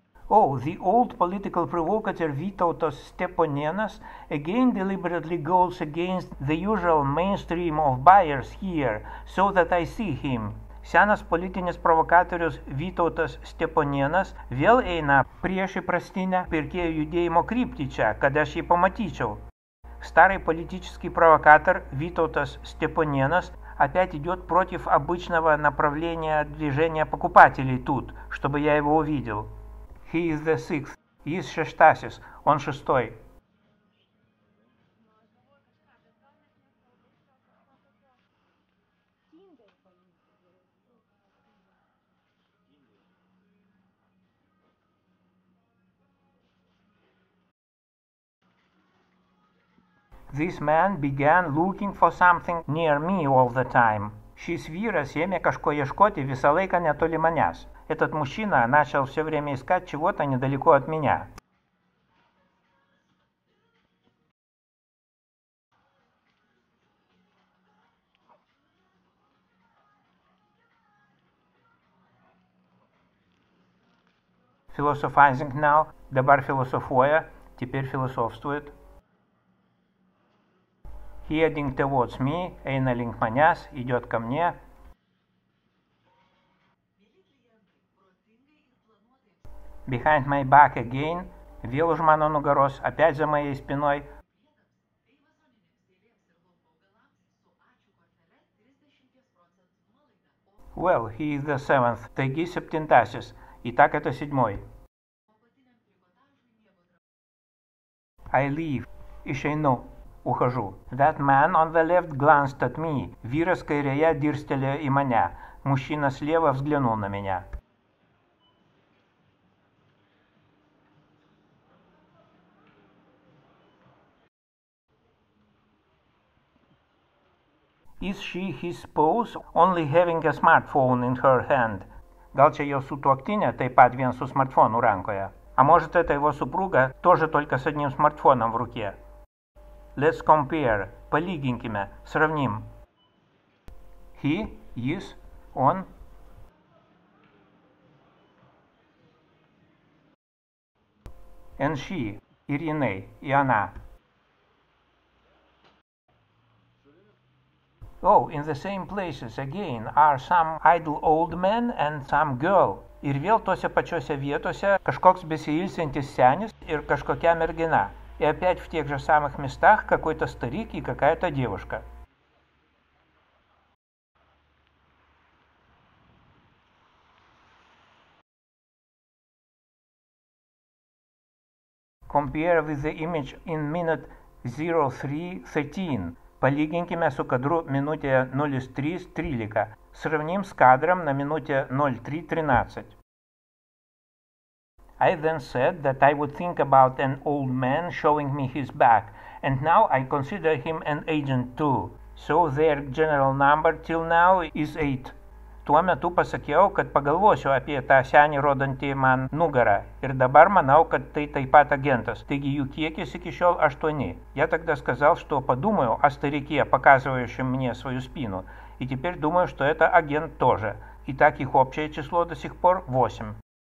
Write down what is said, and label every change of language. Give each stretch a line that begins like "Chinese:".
English: Oh, the old political provocateur Vytautas Steponėnas again deliberately goes against the usual mainstream of buyers here, so that I see him.
Lithuanian: Senas politinis provokatorius Vytautas Steponėnas vėl eina prieš įprastinę pirkėjų judėjimo kryptį čia, kad aš jį pamatyčiau.
Russian: Старый политический провокатор Витоутас Степаненос опять идет против обычного направления движения покупателей тут, чтобы я его увидел.
English: He is the sixth. He is
Lithuanian: шестасис.
Russian: Он шестой.
English: This man began looking for something near me all the time.
Lithuanian: Šis vyras ėmė kažko ieškoti visą laiką netoli manęs.
Russian: Этот мужчина начал все время искать чего-то недалеко от меня.
English: Philosophizing now.
Lithuanian: Dabar filosofuoja.
Russian: Теперь философствует.
English: Heading towards me,
Lithuanian: eina link manęs,
Russian: идет ко мне.
English: Behind my back again,
Lithuanian: vėl už mano nugaros,
Russian: опять за моей спиной.
English: Well, he is the seventh,
Lithuanian: taigi septintasis,
Russian: и так это седьмой.
English: I leave,
Lithuanian: išeinu.
Russian: Ухожу.
English: That man on the left glanced at me.
Lithuanian: Вирас кайрея дирстеля и маня.
Russian: Мужчина слева взглянул на меня.
English: Is she his spouse, only having a smartphone in her hand?
Lithuanian: Gal čia jo sutuoktinė, taip pat vien su smartphone'u rankoje.
Russian: А может это его супруга, тоже только с одним смартфоном в руке?
English: Let's compare.
Lithuanian: Palyginkime.
Russian: Сравним.
English: He,
Lithuanian: jis,
Russian: он.
English: And she,
Lithuanian: ir jinai,
Russian: и она.
English: Oh, in the same places again are some idle old men and some girl.
Lithuanian: Ir vėl tose pačiose vietose kažkoks besiilsintis senis ir kažkokia mergina.
Russian: И опять в тех же самых местах какой-то старик и какая-то девушка.
English: Compare with the image in minute 03:13.
Lithuanian: Palyginkime su kadru minutė 03:13.
Russian: Сравним с кадром на минуте 03:13.
English: I then said that I would think about an old man showing me his back, and now I consider him an agent too. So their general number till now is 8.
Lithuanian: Tuo metu pasakiau, kad pagalvosiu apie tą senį rodantį man nugarą, ir dabar manau, kad tai taip pat agentas, taigi jų kiekis iki šiol 8.
Russian: Я тогда сказал, что подумаю о старике, показывающем мне свою спину, и теперь думаю, что это агент тоже. Итак, их общее число до сих пор 8.